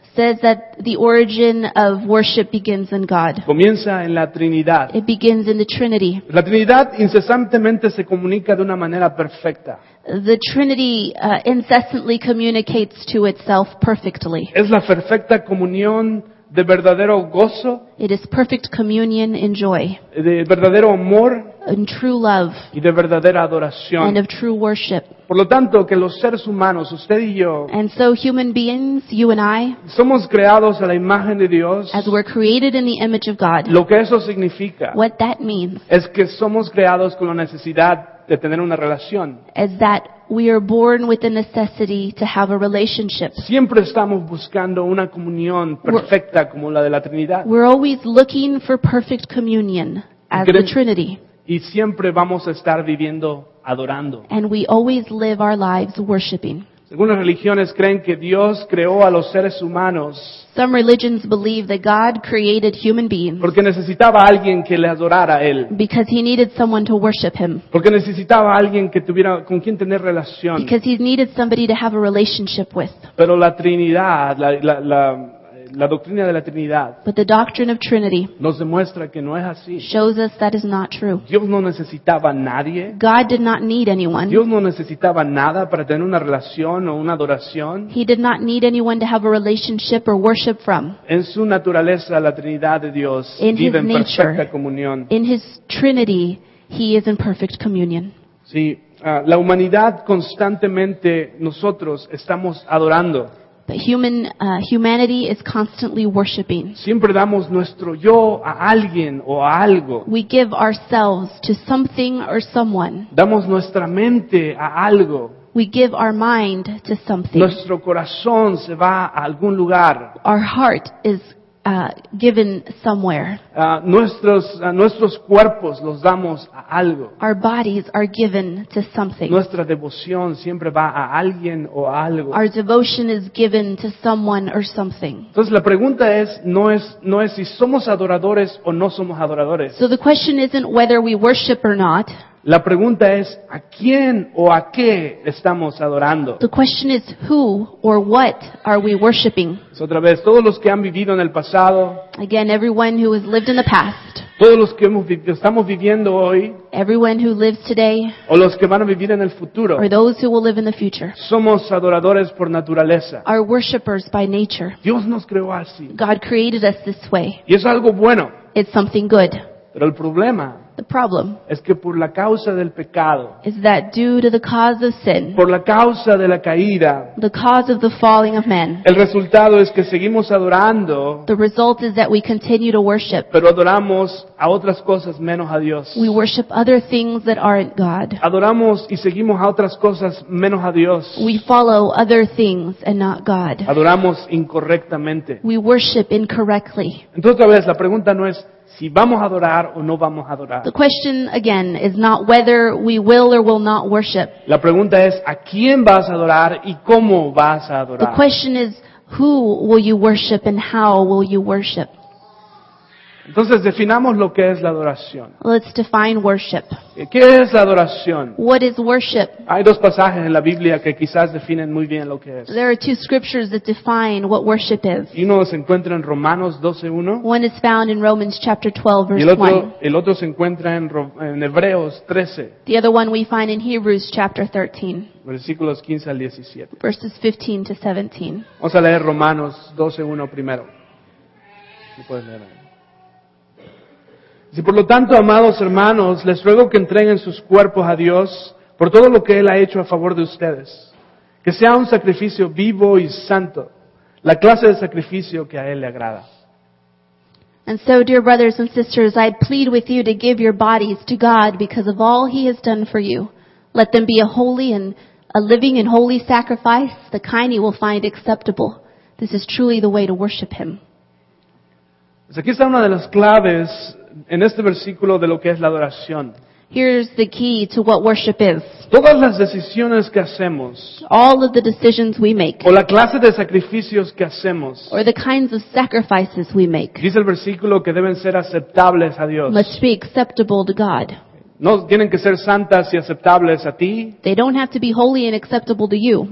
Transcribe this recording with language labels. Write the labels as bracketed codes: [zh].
[en] Says that the origin of worship begins in God. [es] Comienza en la Trinidad. [en] It begins in the Trinity. [es] La Trinidad incesantemente se comunica de una manera perfecta. [en] The Trinity incessantly communicates to itself perfectly. [es] Es la perfecta comunión de verdadero gozo. [en] It is perfect communion in joy. [es] De verdadero amor. [en] And true love. [es] Y de verdadera adoración. [en] And of true worship. [es] Por lo tanto, que los seres humanos, usted y yo, [en] and so human beings, you and I, [es] somos creados a la imagen de Dios. [en] As we're created in the image of God. [es] Lo que eso significa, [en] what that means, [es] es que somos creados con la necesidad de tener una relación. [en] Is that we are born with the necessity to have a relationship. [es] Siempre estamos buscando una comunión perfecta como la de la Trinidad. [en] We're always looking for perfect communion as the Trinity. [es] Y siempre vamos a estar viviendo adorando. [en] And we always live our lives worshiping. [es] Algunas religiones creen que Dios creó a los seres humanos. [en] Some religions believe that God created human beings. [es] Porque necesitaba alguien que le adorara a él. [en] Because he needed someone to worship him. [es] Porque necesitaba alguien que tuviera con quien tener relación. [en] Because he needed somebody to have a relationship with. [es] Pero la Trinidad, la doctrina de la Trinidad. [en] But the doctrine of Trinity [es] nos demuestra que no es así. [en] Shows us that is not true. [es] Dios no necesitaba a nadie. [en] God did not need anyone. [es] Dios no necesitaba nada para tener una relación o una adoración. [en] He did not need anyone to have a relationship or worship from. [es] En su naturaleza la Trinidad de Dios vive en perfecta comunión. [en] In his Trinity, he is in perfect communion. [es] Sí, la humanidad constantemente nosotros estamos adorando. [en] But humanity is constantly worshiping. [es] Siempre damos nuestro yo a alguien o a algo. [en] We give ourselves to something or someone. [es] Damos nuestra mente a algo. [en] We give our mind to something. [es] Nuestro corazón se va a algún lugar. [en] Our heart is given somewhere. [es] Nuestros cuerpos los damos a algo. [en] Our bodies are given to something. [es] Nuestra devoción siempre va a alguien o a algo. [en] Our devotion is given to someone or something. [es] Entonces la pregunta es no es si somos adoradores o no somos adoradores. [en] So the question isn't whether we worship or not. [es] La pregunta es ¿a quién o a qué estamos adorando? [en] The question is who or what are we worshiping? [es] Otra vez, todos los que han vivido en el pasado. [en] Again, everyone who has lived in the past. [es] Todos los que estamos viviendo hoy. [en] Everyone who lives today. [es] O los que van a vivir en el futuro. [en] Or those who will live in the future. [es] Somos adoradores por naturaleza. [en] Are worshipers by nature. [es] Dios nos creó así. [en] God created us this way. [es] Y es algo bueno. [en] It's something good. [es] Pero el problema. [en] The problem [es] es que por la causa del pecado, [en] is that due to the cause of sin, [es] por la causa de la caída, [en] the cause of the falling of men, [es] el resultado es que seguimos adorando, [en] the result is that we continue to worship, [es] pero adoramos a otras cosas menos a Dios. [en] We worship other things that aren't God. [es] Adoramos y seguimos a otras cosas menos a Dios. [en] We follow other things and not God. [es] Adoramos incorrectamente. [en] We worship incorrectly. [es] Entonces otra vez, la pregunta no es si vamos a adorar o no vamos a adorar. [en] The question again is not whether we will or will not worship. [es] La pregunta es ¿a quién vas a adorar y cómo vas a adorar? [en] The question is who will you worship and how will you worship? [es] Entonces definamos lo que es la adoración. [en] Let's define worship. [es] ¿Qué es la adoración? [en] What is worship? [es] Hay dos pasajes en la Biblia que quizás definen muy bien lo que es. [en] There are two scriptures that define what worship is. [es] Y uno se encuentra en Romanos 12:1. [en] One is found in Romans chapter 12 verse 1. [es] Y el otro se encuentra en Hebreos 13. [en] The other one we find in Hebrews chapter 13. [es] Versículos 15 al 17. [en] Verses 15 to 17. [es] Vamos a leer Romanos 12:1 primero. ¿Sí puedes leer? Si por lo tanto, amados hermanos, les ruego que entreguen sus cuerpos a Dios por todo lo que Él ha hecho a favor de ustedes, que sea un sacrificio vivo y santo, la clase de sacrificio que a Él le agrada. [en] And so, dear brothers and sisters, I plead with you to give your bodies to God because of all He has done for you. Let them be a living and holy sacrifice, the kind He will find acceptable. This is truly the way to worship Him. [es] Pues aquí está una de las claves en este versículo de lo que es la adoración. [en] Here's the key to what worship is. [es] Todas las decisiones que hacemos, [en] all of the decisions we make, [es] o la clase de sacrificios que hacemos, [en] or the kinds of sacrifices we make, [es] dice el versículo que deben ser aceptables a Dios. [en] Must be acceptable to God. [es] No tienen que ser santas y aceptables a ti. [en] They don't have to be holy and acceptable to you.